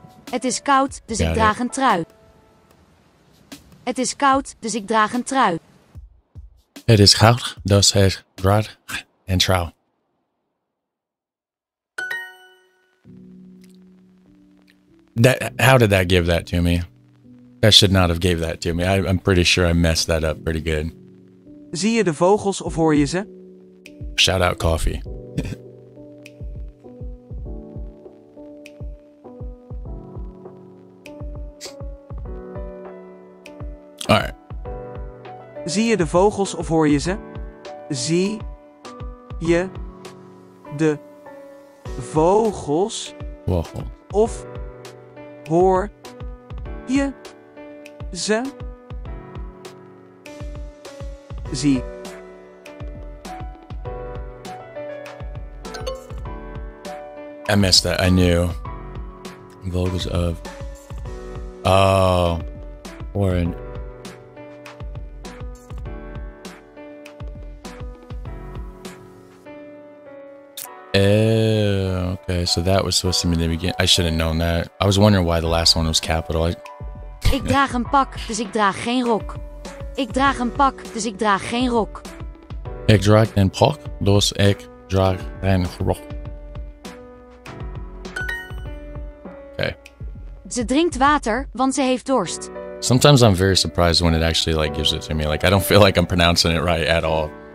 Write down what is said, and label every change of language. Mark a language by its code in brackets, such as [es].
[nl] Het is koud, dus ik draag een trui. Het is koud, dus ik draag een trui. Het is koud, dus ik draag een trui. [en] That, how did that give that to me? That should not have gave that to me. I'm pretty sure I messed that up pretty good. [nl] Zie je de vogels of hoor je ze? [en] Shout out coffee. All right. [nl] Zie je de vogels of hoor je ze? Zie je de vogels of hoor je ze? Zie. [en] I missed that, I knew. [nl] Vogels of. [en] Oh, or an. Okay, so that was supposed to be the beginning. I should have known that. I was wondering why the last one was capital. [nl] Ik draag een pak, dus ik draag geen rok. Ik draag een pak, dus ik draag geen rok. Ik draag een pak, dus ik draag geen rok. [en] Okay. [nl] Ze drinkt water, want ze heeft dorst. [en] Sometimes I'm very surprised when it actually like gives it to me. Like I don't feel like I'm pronouncing it right at all.